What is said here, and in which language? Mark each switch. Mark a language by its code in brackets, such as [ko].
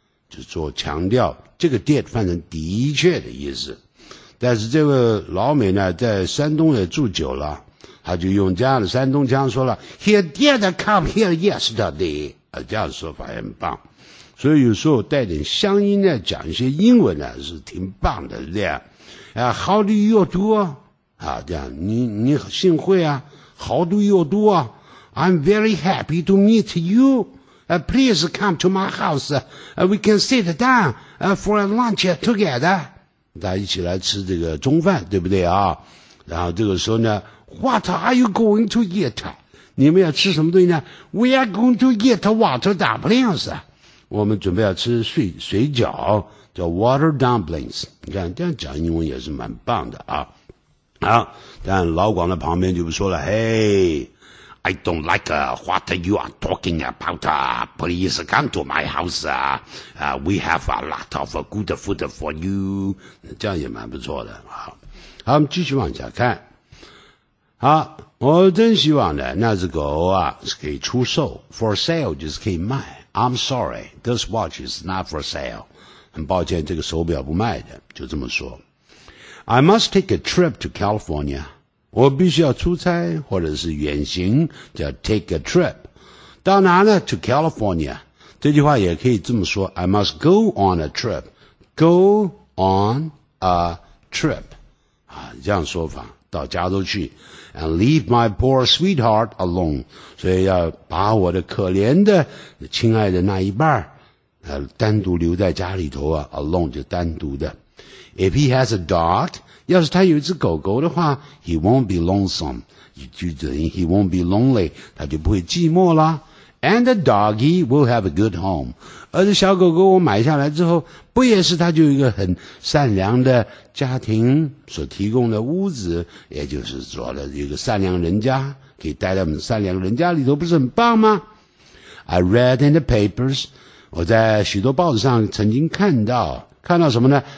[zh] 就做强调这个 did 翻成的确的意思但是这个老美呢在山东也住久了他就用这样的山东腔说了 [en] He did come here yesterday [zh] 这样的说法也很棒所以有时候带点乡音呢，讲一些英文呢，是挺棒的，对吧？ [en] 啊 ，How do you do？ [zh] 啊，这样，你幸会啊 ， [en] How do you do？啊 ，I'm very happy to meet you。 Please come to my house. We can sit down for a lunch together. [zh] 大家一起来吃这个中饭，对不对啊？ [en] 然后这个时候呢 ，What are you going to eat？ [zh] 你们要吃什么东西呢 [en] ？We are going to eat water dumplings. [zh] 我们准备要吃水饺，叫 water dumplings。你看这样讲英文也是蛮棒的啊。好，但老广的旁边就不说了，嘿。 [en] I don't like what you are talking about. Please come to my house. We have a lot of good food for you. [zh] 这样也蛮不错的。好，我们继续往下看。好，我真希望呢，那只狗啊是可以出售。 For sale 就是可以卖。 [en] I'm sorry, this watch is not for sale. [zh] 很抱歉，这个手表不卖的，就这么说。 [en] I must take a trip to California. [zh] 我必须要出差或者是远行，叫 take a trip。到哪呢？To California。这句话也可以这么说， [en] I must go on a trip。 [zh] Go on a trip、啊、这样说法，到加州去。 [en] And leave my poor sweetheart alone。 [zh] 所以要把我的可怜的亲爱的那一半、单独留在家里头啊。 Alone 就单独的。 [en] If he has a dog， [zh] 要是他有一只狗狗的话 , [en] he won't be lonesome, [zh] 也就等于 [en] he won't be lonely, [zh] 他就不会寂寞啦。 [en] And the doggy will have a good home. [zh] 而这小狗狗我买下来之后，不也是他就有一个很善良的家庭所提供的屋子，也就是说的有个善良人家，可以待在我们善良人家里头，不是很棒吗？ [en] I read in the papers, [zh] 我在许多报纸上曾经看到什么呢？